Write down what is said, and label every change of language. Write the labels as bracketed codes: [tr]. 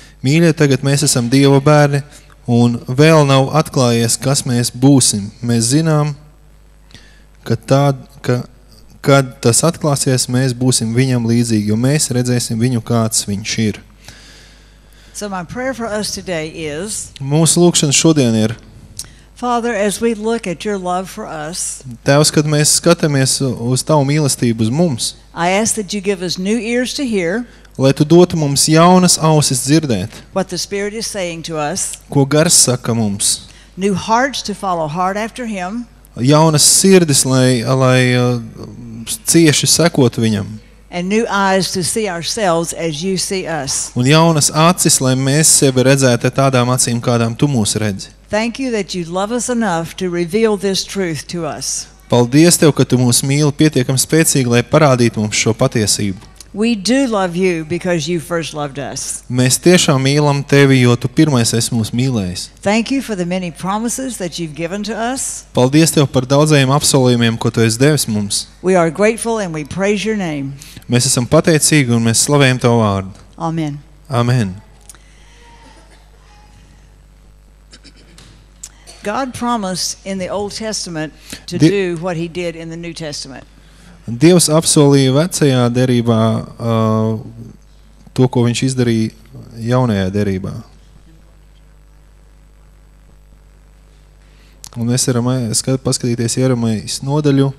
[lv] Mīļie, tagad mēs esam Dieva bērni un vēl nav atklājies, kas mēs būsim. Mēs zinām, kad tas atklāsies, mēs būsim viņam līdzīgi, jo mēs redzēsim viņu, kāds viņš ir. [en] So my prayer for us today is, [lv] mūsu lūkšana šodien ir, [en] Father, as we look at your love for us, [lv] Tēvs, kad mēs skatāmies uz Tavu mīlestību uz mums, [en] I ask that you give us new ears to hear, [lv] lai Tu dotu mums jaunas ausis dzirdēt, [en] what the Spirit is saying to us, [lv] ko Gars saka mums, [en] new hearts to follow hard after him, [lv] jaunas sirdis, lai cieši sekot viņam, [en] and new eyes to see ourselves as you see us, [lv] un jaunas acis, lai mēs sevi redzētu tādām acīm, kādām Tu mūs redzi. [en] Thank you that you love us enough to reveal this truth to us. [lv] Paldies Tev, ka Tu mūs mīli pietiekami spēcīgi, lai parādītu mums šo patiesību. [en] We do love you because you first loved us. [lv] Mēs tiešām mīlam Tevi, jo Tu pirmais esi mūs mīlējis. [en] Thank you for the many promises that you've given to us. [lv] Paldies Tev par daudzajiem apsolījumiem, ko Tu esi devis mums. [en] We are grateful and we praise your name. [lv] Mēs esam pateicīgi un mēs slavējam Tavu vārdu. [en] Amen. [lv] Amen. [en] God promised in the Old Testament to do what he did in the New Testament. [lv] Dievs apsolīja vecajā derībā to, ko viņš izdarīja jaunajā derībā. Un mēs varam paskatīties Jeremijas nodaļu.